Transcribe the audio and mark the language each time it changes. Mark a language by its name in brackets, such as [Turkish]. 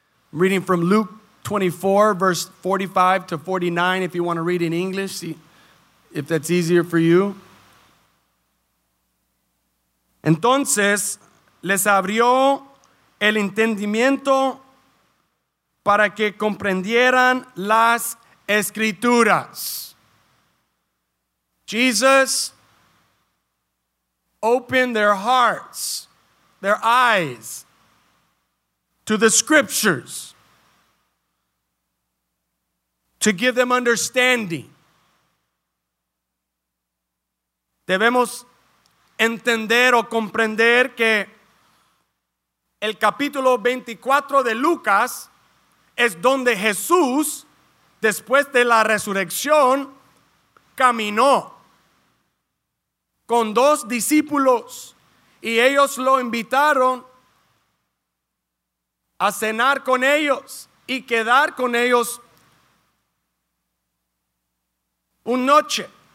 [English] Reading from Luke 24, verse 45 to 49, if you want to read in English, see if that's easier for you. [Spanish] Entonces, les abrió el entendimiento para que comprendieran las escrituras. [English] Jesus opened their hearts, their eyes, to the scriptures to give them understanding. [Spanish] Debemos entender o comprender que el capítulo 24 de Lucas es donde Jesús, después de la resurrección, caminó con dos discípulos y ellos lo invitaron a cenar con ellos y quedar con ellos una noche.